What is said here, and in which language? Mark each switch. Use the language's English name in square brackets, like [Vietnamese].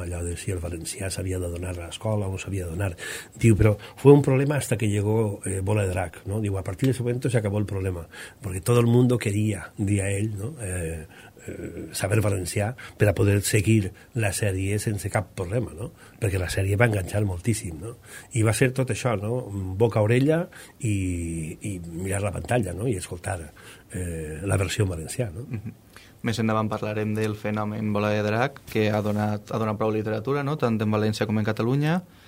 [Catalan] Allò de si el valencià s'havia de donar a l'escola o no s'havia de donar. Diu, però [Spanish] fue un problema hasta que llegó Bola de Drac, no? [Catalan] Diu, [Spanish] a partir de ese momento se acabó el problema, porque todo el mundo quería, [Catalan] dia ell, [Spanish] no? [Catalan] Saber valencià per a poder seguir la sèrie sense cap problema, no? Perquè la sèrie va enganxar moltíssim, no? I va ser tot això, no? Boca a orella i mirar la pantalla, no? I escoltar la versió en valencià, no? Mm-hmm. Més endavant parlarem del fenomen Bola de Drac, que ha donat prou literatura, no?, tant en València com en Catalunya.